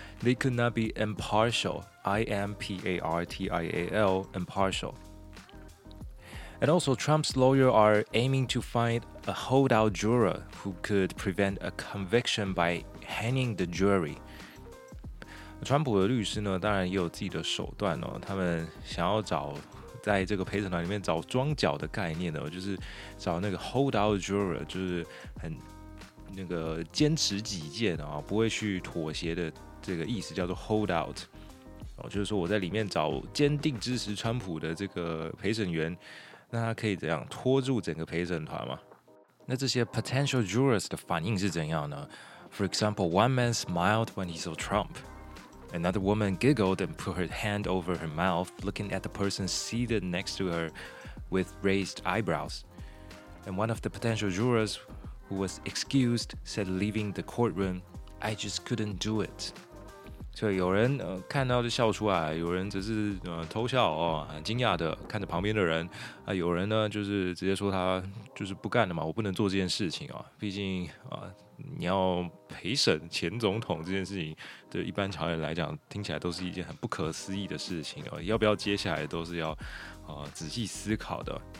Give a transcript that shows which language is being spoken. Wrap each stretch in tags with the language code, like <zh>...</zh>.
<en>They could not be impartial, I-M-P-A-R-T-I-A-L, impartial. And also, Trump's lawyers are aiming to find a holdout juror who could prevent a conviction by hanging the jury.</en> <zh>川普的律师呢，当然也有自己的手段哦。他们想要找在这个陪审团里面找庄脚的概念哦，就是找那个</zh> <en>holdout juror，</en> <zh>就是很那个坚持己见啊、哦，不会去妥协的。这个意思叫做 hold out， 就是说我在里面找坚定支持川普的这个陪审员，那他可以怎样拖住整个陪审团吗？那这些</zh> <en>potential jurors</en> <zh>的反应是怎样呢？</zh> <en>For example, one man smiled when he saw Trump. Another woman giggled and put her hand over her mouth, looking at the person seated next to her with raised eyebrows. And one of the potential jurors who was excused said leaving the courtroom,I just couldn't do it.</en> <zh>所以有人、看到就笑出来，有人只是、偷笑、哦、很惊讶的看着旁边的人、有人呢就是直接说他就是不干了嘛，我不能做这件事情、哦、毕竟、你要陪审前总统这件事情，对一般常人来讲听起来都是一件很不可思议的事情、要不要接下来都是要、仔细思考的。</zh>